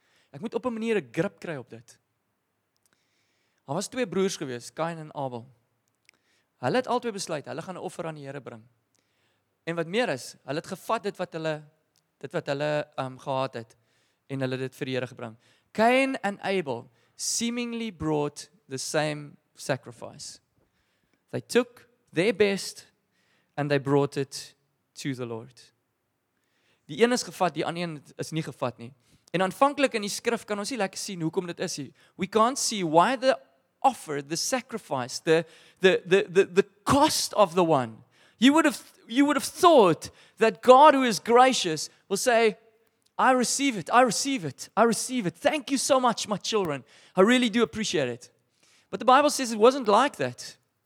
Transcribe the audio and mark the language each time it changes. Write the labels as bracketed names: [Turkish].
[Afrikaans] Ek moet op 'n manier 'n grip kry op dit. Daar was twee broers gewees, Kain en Abel. Hulle het albei besluit, hulle gaan 'n offer aan die Here bring. En wat meer is, hulle het gevat dit wat hulle gehad het en hulle het dit vir die Here gebring. [English] Kain en Abel seemingly brought the same sacrifice. They took their best and they brought it to the Lord. [Afrikaans] Die een is gevat, die ander een is nie gevat nie. En aanvanklik in die skrif kan ons nie lekker sien hoekom dit is nie. [English] We can't see why the offer, the sacrifice, the cost of the one. You would have thought that God, who is gracious, will say, I receive it, I receive it, I receive it. Thank you so much, my children. I really do appreciate it. But the Bible says it wasn't like that.